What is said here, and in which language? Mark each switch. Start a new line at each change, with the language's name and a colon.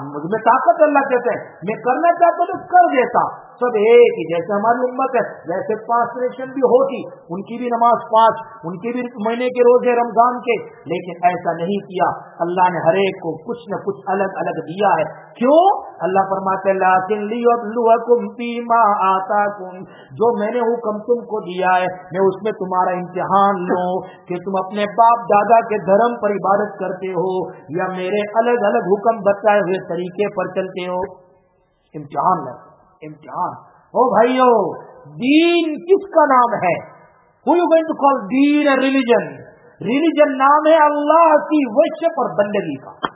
Urdu: مجھ میں طاقت اللہ کہتے ہیں، میں کرنا چاہتا تو کر دیتا. سب ایک ہی، جیسے ہماری امت ہے ویسے پانچ نیشن بھی ہوتی، ان کی بھی نماز پانچ، ان کے بھی مہینے کے روزے رمضان کے. لیکن ایسا نہیں کیا، اللہ نے ہر ایک کو کچھ نہ کچھ الگ الگ دیا ہے. کیوں؟ اللہ فرماتے لیکن
Arabic: لیبلوکم فیما آتاکم.
Urdu: جو میں نے حکم تم کو دیا ہے میں اس میں تمہارا امتحان لوں کہ تم اپنے باپ دادا کے دھرم پر عبادت کرتے ہو یا میرے الگ الگ حکم بتائے ہوئے طریقے پر چلتے ہو. امتحان لے، امتحان. او بھائیو، دین کس کا نام ہے؟
English: Who you going to call
Urdu: then a religion؟ Religion نام ہے اللہ کی ورشپ اور بندگی کا.